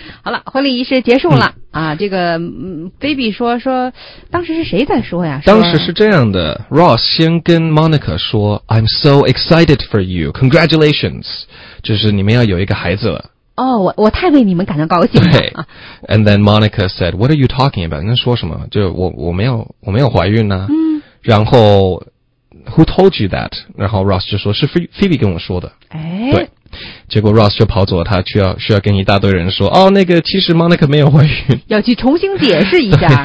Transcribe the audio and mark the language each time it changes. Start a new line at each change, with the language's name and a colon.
Chinese: 好了，婚礼仪式结束了啊。这个菲比说当时是谁在说呀？当时是这样的 ，Ross 先跟 Monica 说 ：
English: “I'm so excited for you, congratulations，
Chinese: 就是你们要有一个孩子了。” 哦，我太为你们感到高兴了。对。
English: And then Monica said, "What are you talking about？"
Chinese: 那说什么？就我没有怀孕呢、啊。然后
English: Who told you that？
Chinese: 然后 Ross 就说是菲比跟我说的。哎。对。结果 Ross 就跑走了，他需要跟一大堆人说，哦，那个其实 Monica 没有怀孕，要去重新解释一下。